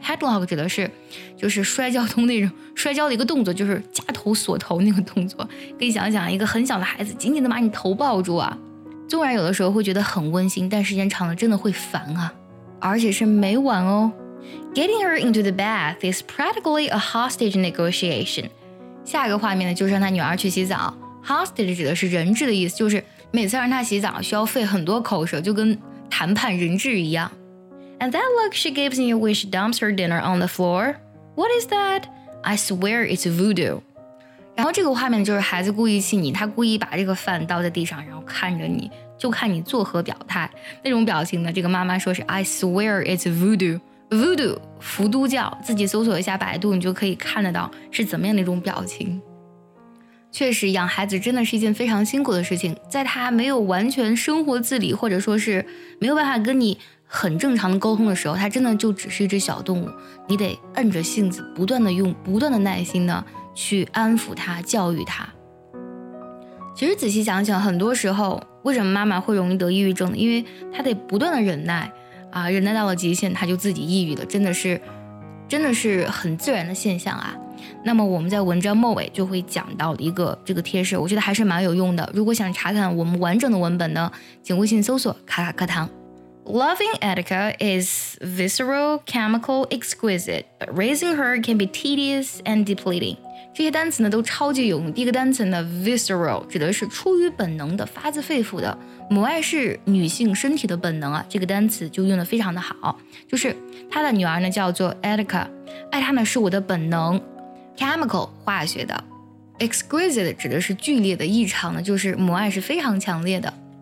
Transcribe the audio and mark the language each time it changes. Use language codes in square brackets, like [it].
[zh] Headlock 指的是就是摔跤通那种摔跤的一个动作，就是夹头锁头那个动作，可以想想一个很小的孩子紧紧的把你头抱住啊，纵然有的时候会觉得很温馨，但时间长了真的会烦啊，而且是每晚哦。 [en] Getting her into the bath is practically a hostage negotiation. [zh] 下一个画面呢就是让他女儿去洗澡。Hostage 指的是人质的意思，就是每次让她洗澡需要费很多口舌，就跟谈判人质一样。 [en] And that look she gives me when she dumps her dinner on the floor, what is that? I swear it's voodoo. [zh] 然后这个画面就是孩子故意气你，他故意把这个饭倒在地上，然后看着你，就看你作何表态。那种表情呢，这个妈妈说是 [en] I swear it's voodoo. [zh] Voodoo, 伏都教，自己搜索一下百度，你就可以看得到是怎么样的一种表情。确实养孩子真的是一件非常辛苦的事情，在他没有完全生活自理或者说是没有办法跟你很正常的沟通的时候，他真的就只是一只小动物，你得摁着性子不断的用不断的耐心呢去安抚他、教育他。其实仔细想想，很多时候为什么妈妈会容易得抑郁症呢？因为他得不断的忍耐啊，忍耐到了极限他就自己抑郁了，真的是很自然的现象啊。那么我们在文章末尾就会讲到一个这个贴士，我觉得还是蛮有用的。如果想查看我们完整的文本呢，请微信搜索卡卡课堂。 [en] Loving Etika is visceral, chemical, exquisite, but raising her can be tedious and depleting. [zh] 这些单词呢都超级有用。第一个单词呢 ，visceral 指的是出于本能的、发自肺腑的。母爱是女性身体的本能啊，这个单词就用得非常的好。就是她的女儿呢叫做 Etika， 爱她呢是我的本能。 Chemical 化学的 ，exquisite 指的是剧烈的、异常的，就是母爱是非常强烈的。